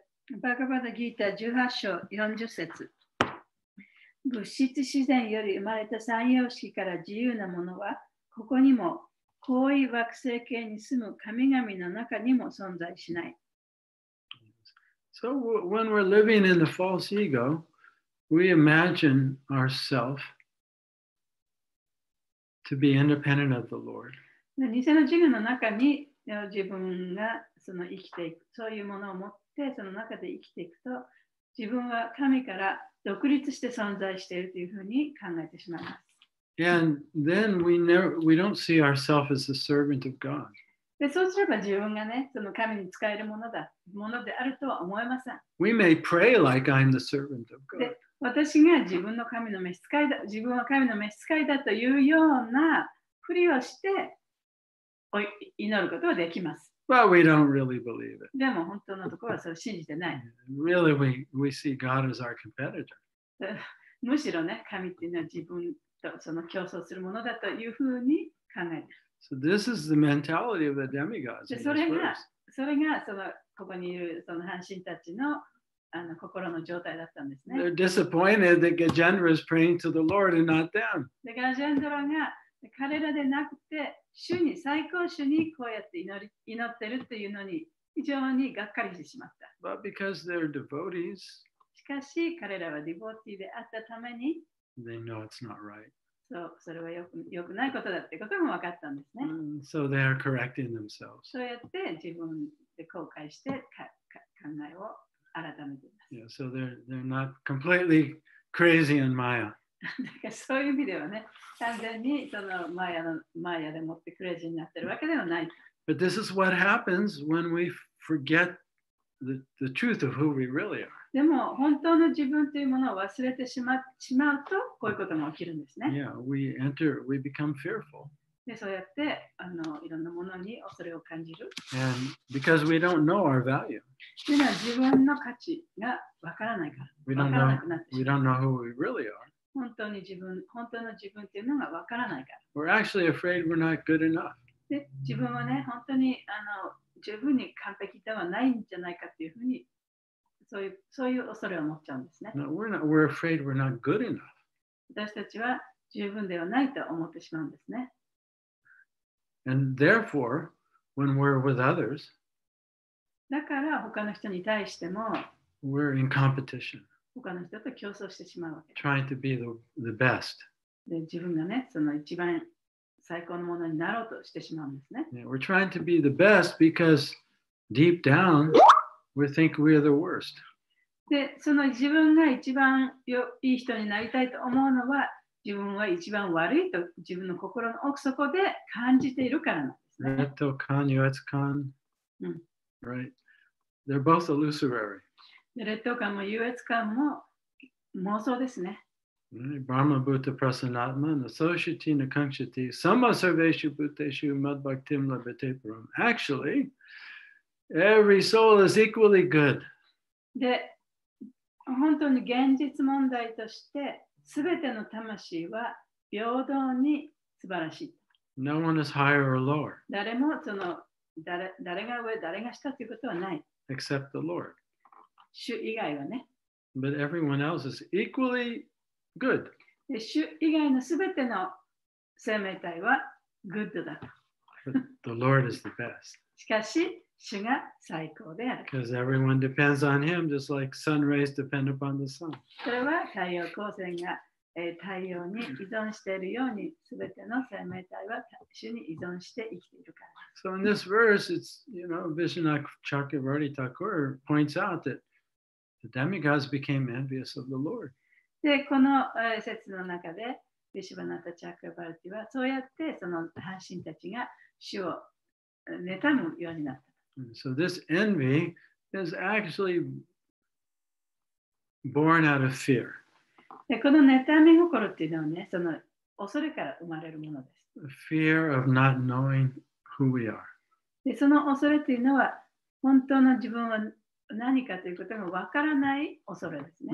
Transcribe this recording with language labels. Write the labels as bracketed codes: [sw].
[ja] Bhagavad Gita 18章40節物質自然より生まれた三様式から自由なものはここにも高位惑星系に住む神々の中にも存在しない。 [en] So when we're living in the false ego, we imagine ourselves to be independent of the Lord. [ja] 偽の自我の中に自分がその生きていく、そういうものを持ってその中で生きていくと、自分は神から独立して存在しているというふうに考えてしまいます。 [en] And then we don't see ourselves as the servant of God. [ja] で、そうすれば自分がね、その神に使えるものだ、ものであるとは思えません。 [en] We may pray like I'm the servant of God. [ja] で、私が自分の神の召使いだ、自分は神の召使いだというようなふりをして祈ることはできます。 [en] But we don't really believe it. [ja] でも本当のところはそれを信じてない。 [en] Really, we see God as our competitor. [ja] むしろね、神っていうのは自分その競争するものだというふうに考えます。 [en] So this is the mentality of the demigods. [ja] で、それがそのここにいるその半身たちの心の状態だったんですね。 [en] They're disappointed that Gajendra is praying to the Lord and not them. [ja] で、ガジェンドラが彼らでなくて主に最高主にこうやって祈ってるっていうのに非常にがっかりしてしまった。 [en] But because they're devotees. [ja] しかし彼らはディボーティーであったために。 [en] They know it's not right. [ja] So, それはよくないことだってことも分かったんですね。 [en] So they are correcting themselves. [ja] そうやって自分で後悔して考えを改めています。 [en] Yeah, so they're not completely crazy in Maya. [ja] だからそういう意味ではね、完全にそのマヤでもってクレイジーになってるわけではない。 [en] But this is what happens when we forget the truth of who we really are. [ja] でも本当の自分というものを忘れてしまうとこういうことも起きるんですね。 [en] Yeah, we enter, we become fearful. [ja] で、そうやっていろんなものに恐れを感じる。 [en] And because we don't know our value. [ja] というのは自分の価値がわからないから。 [en] We don't know, we don't know who we really are. [ja] 本当の自分というのがわからないから。 [en] We're actually afraid we're not good enough. [ja] で、自分はね、本当に十分に完璧ではないんじゃないかというふうに。そういう恐れを持っちゃうんですね。 [en] No, we're afraid we're not good enough. [ja] 私たちは十分ではないと思ってしまうんですね。 [en] And therefore, when we're with others, [ja] だから他の人に対しても、 [en] we're in competition. [ja] 他の人と競争してしまうわけです。 [en] Trying to be the best. [ja] で、自分がね、その一番最高のものになろうとしてしまうんですね。 [en] Yeah, we're trying to be the best because deep down, We think we are the worst. [ja] で、その自分が一番いい人になりたいと思うのは、自分は一番悪いと自分の心の奥底で感じているからなんですね。 [en] Netto Khan, Yuetz Khan. Right. They're both illusory. [ja] Netto Khan も Yuetz Khan も妄想ですね。 [sa] Brahma Bhuta Prasanatma, Nasoshiti Nakanshiti, Sama Sarveshu Bhuteshu Madbhaktim Labhate Param. [en] Actually,Every soul is equally good. [ja] で、本当に現実問題として、すべての魂は平等に素晴らしい。 [en] No one is higher or lower. [ja] 誰もその誰が上、誰が下ということはない。 [en] except the Lord. [ja] 主以外はね。 [en] But everyone else is equally good. [ja] 主以外のすべての生命体はグッドだと。 [en] The Lord is the best. [ja] しかし、主が最高である。 [en] Because everyone depends on Him, just like sun rays depend upon the sun. [ja] それは太陽光線が太陽に依存しているように、すべての生命体は主に依存して生きているから。 [en] So in this verse, it's, you know, Vishnakchakravarti Thakur points out that the demigods became envious of the Lord. [ja] で、この説の中で、ビシュヴァナタ・チャクラヴァルティは、そうやってその半身たちが主を妬むようになった。 [en] So this envy is actually born out of fear. [ja] で、この妬み心っていうのはね、その恐れから生まれるものです。 [en] Fear of not knowing who we are. [ja] で、その恐れっていうのは、本当の自分は何かということがわからない恐れですね。